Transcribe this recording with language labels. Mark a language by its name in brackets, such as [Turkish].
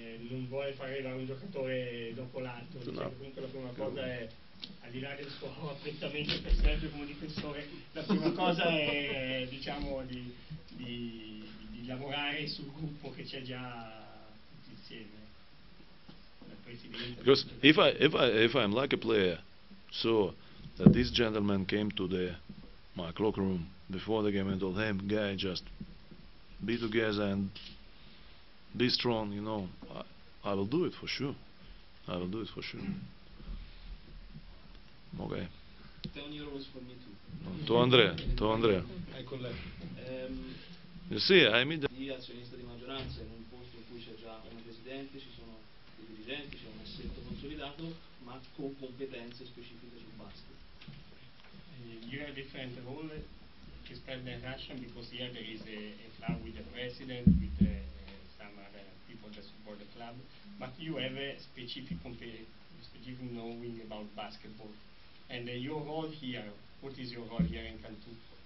[Italian] Non vuole fare da un giocatore dopo l'altro. Comunque la prima cosa è, al di là del suo apprezzamento per Sergio come difensore, la prima cosa è, diciamo, di lavorare sul gruppo che c'è già tutti insieme. [English] Because if I'm like a player, so that this gentleman came to my clock room before the game and told him, guy, just be together and be strong, you know, I will do it for sure. I will do it for sure. Mm. Okay. Tell your rules for me too. To Andrea. I collect. You see, I mean the [Italian] azionista di maggioranza in un posto in cui c'è già un presidente, ci sono dei dirigenti, c'è un assetto consolidato, ma con competenze specifiche sul basket. [English] You have a different role expert in Russia because here there is a club with the president, with some other people that support the club, but you have a specific knowing about basketball. And your role here, what is your role here in Cantu?